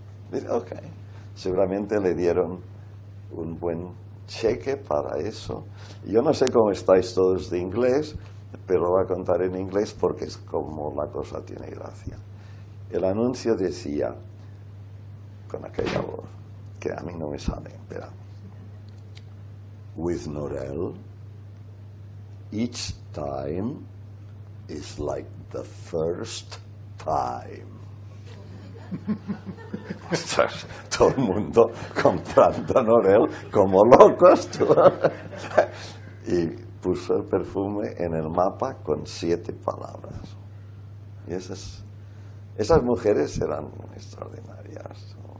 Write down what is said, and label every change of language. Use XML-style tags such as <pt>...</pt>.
<es>Dice, ok, seguramente le dieron un buen cheque para eso. Yo no sé cómo estáis todos de inglés, pero lo voy a contar en inglés porque es como la cosa tiene gracia. El anuncio decía, con aquella voz que a mí no me sale, espera.</es> <en>With Norel, each time is like the first time.</en> <es>Estás todo el mundo comprando Norel como locos, tú. Y puso el perfume en el mapa con 7 palabras. Y esas mujeres eran extraordinarias.</es>